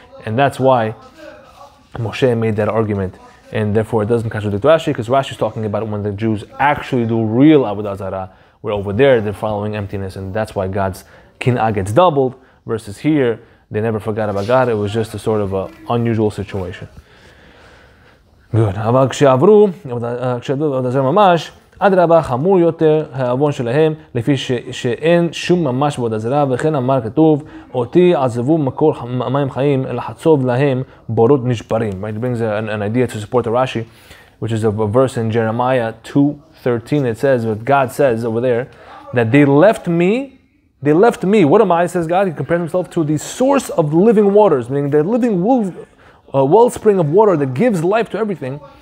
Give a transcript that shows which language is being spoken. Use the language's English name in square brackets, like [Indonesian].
[English] And that's why Moshe made that argument, and therefore it doesn't contradict Rashi, because Rashi is talking about when the Jews actually do real Avodah Zarah. We're over there, they're following emptiness, and that's why God's kin'ah gets doubled, versus here, they never forgot about God, it was just a sort of an unusual situation. Good. [Hebrew] אבל כשעברו, כשעברו ממש, עד רבה חמור יותר העוון שלהם, לפי שאין שום ממש בעבודה זרה, וכן אמר כתוב, אותי עזבו מקור מים חיים, לחצוב להם בורות נשברים. [English] It brings an idea to support the Rashi, which is a verse in Jeremiah 2:13. It says, what God says over there, that they left me. What am I, says God? He compares himself to the source of living waters, meaning the living wellspring of water that gives life to everything.